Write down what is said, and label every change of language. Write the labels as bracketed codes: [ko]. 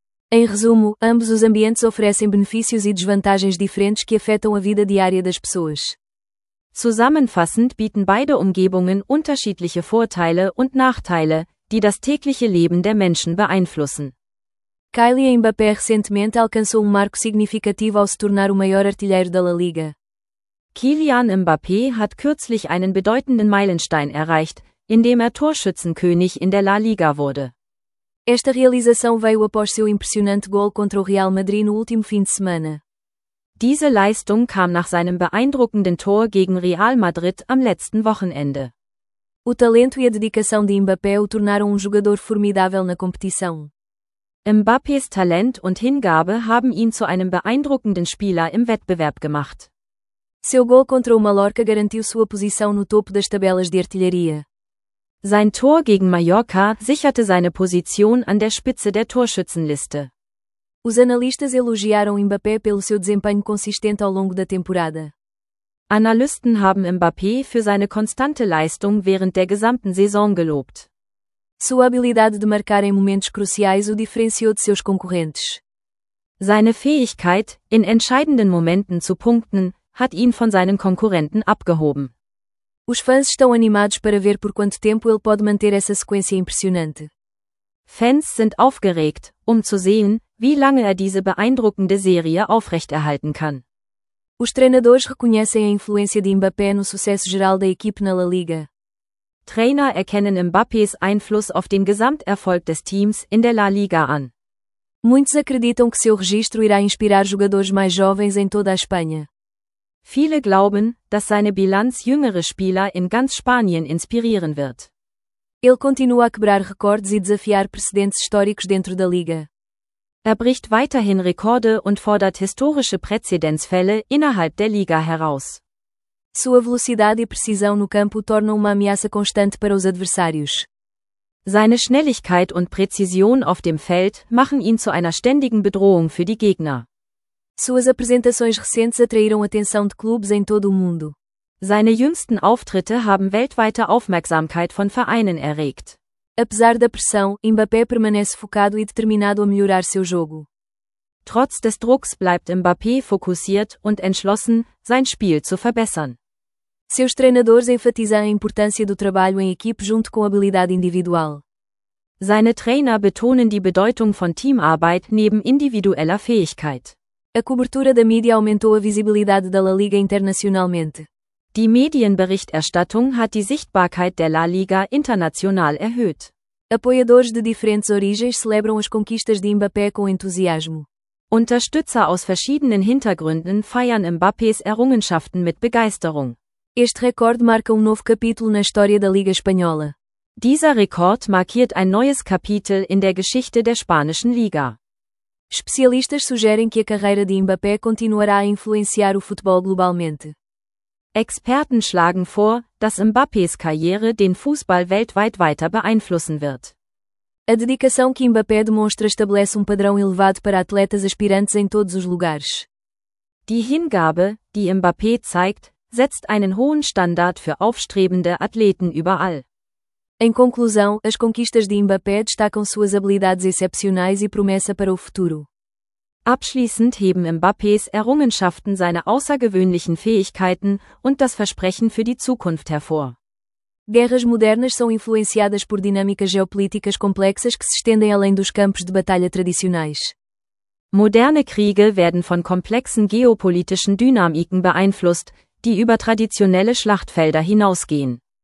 [pt] Em resumo, ambos os ambientes oferecem benefícios e desvantagens diferentes que afetam a vida diária das pessoas. [de] Zusammenfassend bieten beide Umgebungen unterschiedliche Vorteile und Nachteile, die das tägliche Leben der Menschen beeinflussen. [pt] Kylian Mbappé recentemente alcançou marco significativo ao se tornar o maior artilheiro da La Liga. [de] Kylian Mbappé hat kürzlich einen bedeutenden Meilenstein erreicht, indem Torschützenkönig in der La Liga wurde. [pt] Esta realização veio após seu impressionante gol contra o Real Madrid no último fim de semana. [de] Diese Leistung kam nach seinem beeindruckenden Tor gegen Real Madrid am letzten Wochenende. [pt] O talento e a dedicação de Mbappé o tornaram jogador formidável na competição. [de] Mbappés Talent und Hingabe haben ihn zu einem beeindruckenden Spieler im Wettbewerb gemacht. [pt] Seu gol contra o Mallorca garantiu sua posição no topo das tabelas de artilharia. [de] Sein Tor gegen Mallorca sicherte seine Position an der Spitze der Torschützenliste. [pt] Os analistas elogiaram Mbappé pelo seu desempenho consistente ao longo da temporada. [de] Analysten haben Mbappé für seine konstante Leistung während der gesamten Saison gelobt. [pt] Sua habilidade de marcar em momentos cruciais o diferenciou de seus concorrentes. [de] Seine Fähigkeit, in entscheidenden Momenten zu punkten, hat ihn von seinen Konkurrenten abgehoben. [pt] Os fãs estão animados para ver por quanto tempo ele pode manter essa sequência impressionante. [de] Fans sind aufgeregt, zu sehen, wie lange diese beeindruckende Serie aufrechterhalten kann. [pt] Os treinadores reconhecem a influência de Mbappé no sucesso geral da equipe na La Liga. [de] Trainer erkennen Mbappés Einfluss auf den Gesamterfolg des Teams in der La Liga an. [pt] Muitos acreditam que seu registro irá inspirar jogadores mais jovens em toda a Espanha. [de] Viele glauben, dass seine Bilanz jüngere Spieler in ganz Spanien inspirieren wird. [pt] Ele continua a quebrar recordes e desafiar precedentes históricos dentro da liga. [de] Bricht weiterhin Rekorde und fordert historische Präzedenzfälle innerhalb der Liga heraus. [pt] Sua velocidade e precisão no campo tornam uma ameaça constante para os adversários. [de] Seine Schnelligkeit und Präzision auf dem Feld machen ihn zu einer ständigen Bedrohung für die Gegner. [pt] Suas apresentações recentes atraíram atenção de clubes em todo o mundo. [de] Seine jüngsten Auftritte haben weltweite Aufmerksamkeit von Vereinen erregt. [pt] Apesar da pressão, Mbappé permanece focado e determinado a melhorar seu jogo. [de] Trotz des Drucks bleibt Mbappé fokussiert und entschlossen, sein Spiel zu verbessern. [pt] Seus treinadores enfatizam a importância do trabalho em equipe junto com habilidade individual. [de] Seine Trainer betonen die Bedeutung von Teamarbeit neben individueller Fähigkeit. [pt] A cobertura da mídia aumentou a visibilidade da La Liga internacionalmente. [de] Die Medienberichterstattung hat die Sichtbarkeit der La Liga international erhöht. [pt] Apoiadores de diferentes origens celebram as conquistas de Mbappé com entusiasmo. [de] Unterstützer aus verschiedenen Hintergründen feiern Mbappés Errungenschaften mit Begeisterung. [pt] Este recorde marca novo capítulo na história da Liga Espanhola. [de] Dieser Rekord markiert ein neues Kapitel in der Geschichte der spanischen Liga. [pt] Especialistas sugerem que a carreira de Mbappé continuará a influenciar o futebol globalmente. [de] Experten schlagen vor, dass Mbappés Karriere den Fußball weltweit weiter beeinflussen wird. [pt] A dedicação que Mbappé demonstra estabelece padrão elevado para atletas aspirantes em todos os lugares. [de] Die Hingabe, die Mbappé zeigt, setzt einen hohen Standard für aufstrebende Athleten überall. [pt] Em conclusão, as conquistas de Mbappé destacam suas habilidades excepcionais e promessa para o futuro. [de] Abschließend heben Mbappés Errungenschaften seine außergewöhnlichen Fähigkeiten und das Versprechen für die Zukunft hervor. [pt] Guerras modernas são influenciadas por dinâmicas geopolíticas complexas que se estendem além dos campos de batalha tradicionais. [de] Moderne Kriege werden von komplexen geopolitischen Dynamiken beeinflusst, die über traditionelle Schlachtfelder hinausgehen.